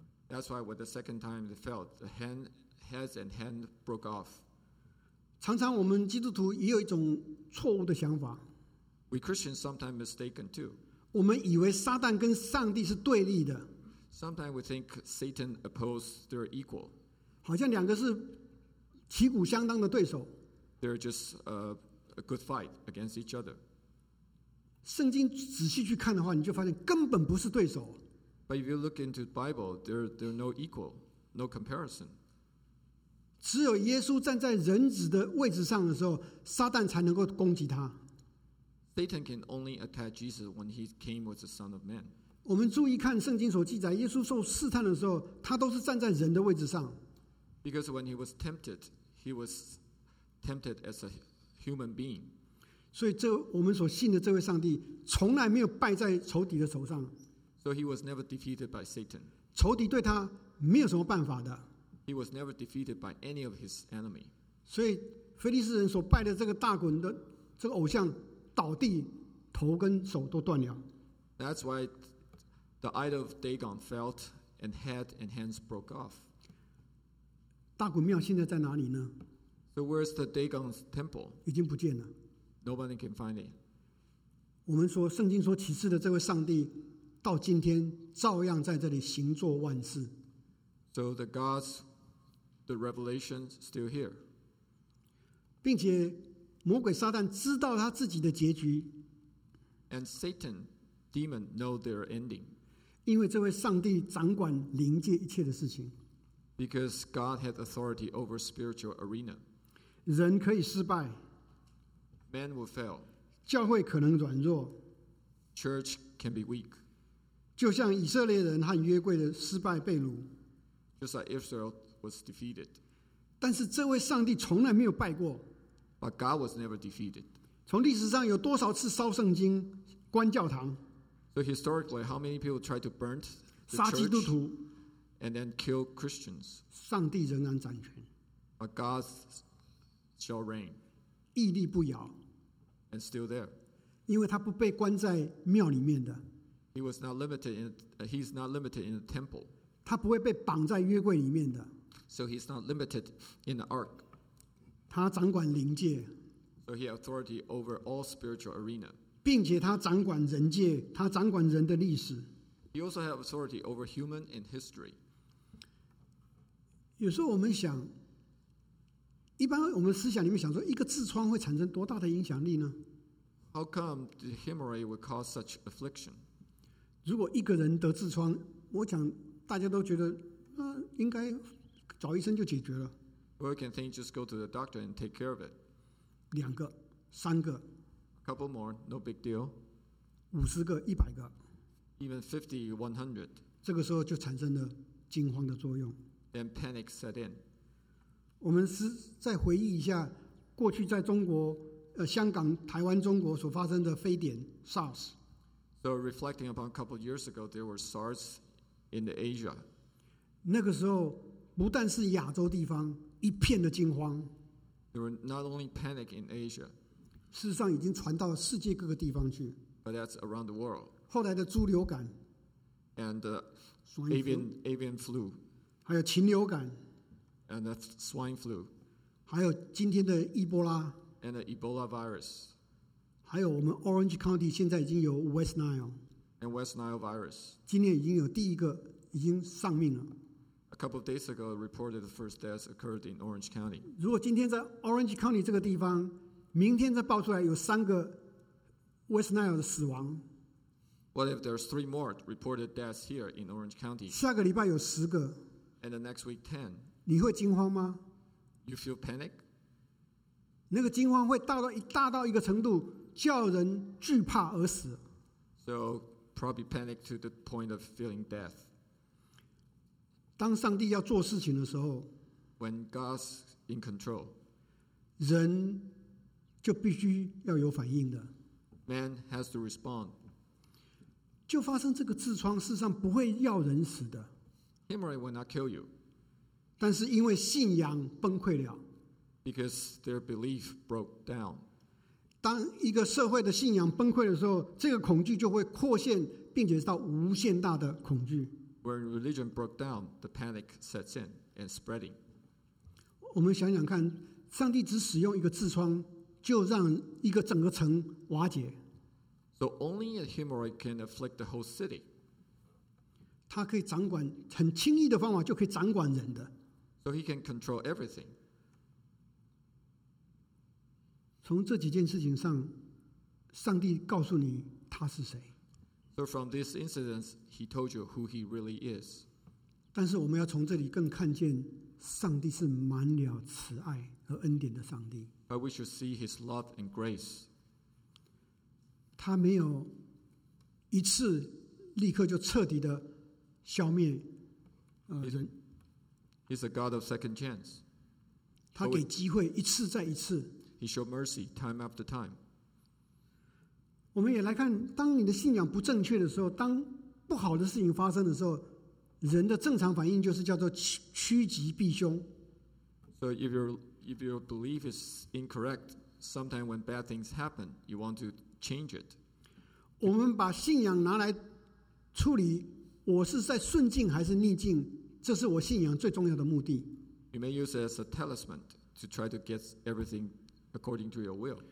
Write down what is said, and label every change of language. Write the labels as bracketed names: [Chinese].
[English] That's why when the second time they fell, the hand. Heads and hand broke off. [Chinese] 常常我们基督徒也有一种错误的想法。 [English] We Christians sometimes mistaken too. [Chinese] 我们以为撒旦跟上帝是对立的。 [English] Sometimes we think Satan opposed they're equal. [Chinese] 好像两个是旗鼓相当的对手。 [English] They're just a good fight against each other. [Chinese] 圣经仔细去看的话，你就发现根本不是对手。 [English] But if you look into the Bible, they're no equal, no comparison. [Chinese] 只有耶稣站在人子的位置上的时候，撒旦才能够攻击他。 [English] Satan can only attack Jesus when he came as the Son of Man. [Chinese] 我们注意看圣经所记载，耶稣受试探的时候，他都是站在人的位置上。 [English] Because when he was tempted as a human being. [Chinese] 所以这我们所信的这位上帝，从来没有败在仇敌的手上。 [English] So he was never defeated by Satan. [Chinese] 仇敌对他没有什么办法的。 [English] He was never defeated by any of his enemy. [Chinese] 所以腓力斯人所拜的这个大衮的这个偶像倒地，头跟手都断了。 [English] That's why the idol of Dagon fell and head and hands broke off. [Chinese] 大衮庙现在在哪里呢？ [English] So where's the Dagon's temple? [Chinese] 已经不见了。 [English] Nobody can find it. [Chinese] 我们说圣经说启示的这位上帝，到今天照样在这里行作万事。 [English] So the gods, the revelation still here. [Chinese] 并且魔鬼撒旦知道他自己的结局。 [English] And Satan, demon, know their ending. [Chinese] 因为这位上帝掌管灵界一切的事情。 [English] Because God had authority over spiritual arena. [Chinese] 人可以失败。 [English] Man will fail. [Chinese] 教会可能软弱。 [English] Church can be weak. [Chinese] 就像以色列人和约柜的失败被掳。 [English] Just like Israel was defeated. [Chinese] 但是这位上帝从来没有败过。 [English] But God was never defeated. [Chinese] 从历史上有多少次烧圣经、关教堂 [English] ？So historically, how many people tried to burn the church? [Chinese] 杀基督徒 [English] ，and then kill Christians. [Chinese] 上帝仍然掌权。 [English] But God shall reign. [Chinese] 屹立不摇 [English] ，and still there. [Chinese] 因为他不被关在庙里面的。 [English] He was not limited in. He's not limited in the temple. [Chinese] 他不会被绑在约柜里面的。 [English] So he's not limited in the ark. [Chinese] 他掌管灵界。 [English] So he has authority over all spiritual arena. [Chinese] 并且他掌管人界，他掌管人的历史。 [English] He also has authority over human and history. [Chinese] 有时候我们想，一般我们思想里面想说，一个痔疮会产生多大的影响力呢 [English] ？How come the hemorrhage would cause such affliction? [Chinese] 如果一个人得痔疮，我讲。大家都觉得，应该找医生就解决了。 [English] We can think just go to the doctor and take care of it. [Chinese] 两个，三个。 [English] A couple more, no big deal. [Chinese] 五十个，一百个。 [English] Even 50, 100. [Chinese] 这个时候就产生了惊慌的作用。 [English] Then panic set in. [Chinese] 我们再回忆一下过去在中国、香港、台湾、中国所发生的非典 SARS. [English] So reflecting upon a couple years ago, there were SARS. In the Asia, [Chinese] 那个时候不但是亚洲地方一片的惊慌 [English] ，there were not only panic in Asia. [Chinese] 事实上已经传到了世界各个地方去 [English] ，but that's around the world. [Chinese] 后来的猪流感 [English] ，and avian flu, [Chinese] 还有禽流感 [English] ，and the swine flu, [Chinese] 还有今天的伊波拉 [English] ，and the Ebola virus, [Chinese] 还有我们 Orange County 现在已经有 West Nile. [English] And West Nile virus. [Chinese] 今年已经有第一个已经丧命了。 [English] A couple of days ago, reported the first death occurred in Orange County. [Chinese] 如果今天在 Orange County 这个地方，明天再爆出来有三个 West Nile 的死亡。 [English] What if there's three more reported deaths here in Orange County? [Chinese] 下个礼拜有十个。 [English] And the next week 10. [Chinese] 你会惊慌吗 [English] ？You feel panic. [Chinese] 那个惊慌会大到一个程度，叫人惧怕而死。 [English] So. Probably panic to the point of feeling death. [Chinese] 当上帝要做事情的时候 [English] ，When God's in control， [Chinese] 人就必须要有反应的。 [English] Man has to respond。 [Chinese] 就发生这个痔疮，事实上不会要人死的。 [English] Hemorrhage will not kill you。 [Chinese] 但是因为信仰崩溃了。 [English] Because their belief broke down。 [Chinese] 当一个社会的信仰崩溃的时候，这个恐惧就会扩散，并且到无限大的恐惧。 [English] When religion broke down, the panic sets in and spreading. [Chinese] 我们想想看，上帝只使用一个痔疮，就让一个整个城瓦解。 [English] So only a hemorrhoid can afflict the whole city. [Chinese] 他可以掌管，很轻易的方法就可以掌管人的。 [English] So he can control everything. [Chinese] 从这几件事情上，上帝告诉你他是谁。 [English] So from this incident, he told you who he really is. [Chinese] 但是我们要从这里更看见，上帝是满了慈爱和恩典的上帝。 [English] But we should see his love and grace. [Chinese] 他没有一次立刻就彻底的消灭人。 [English] He's a God of second chance. [Chinese] 他给机会一次再一次。 [English] He showed mercy time after time. [Chinese] 我们也来看，当你的信仰不正确的时候，当不好的事情发生的时候，人的正常反应就是叫做趋吉避凶。 [English] So if your belief is incorrect, sometimes when bad things happen, you want to change it. [Chinese] 我们把信仰拿来处理，我是在顺境还是逆境，这是我信仰最重要的目的。 [English] You may use it as a talisman to try to get everything according to your will.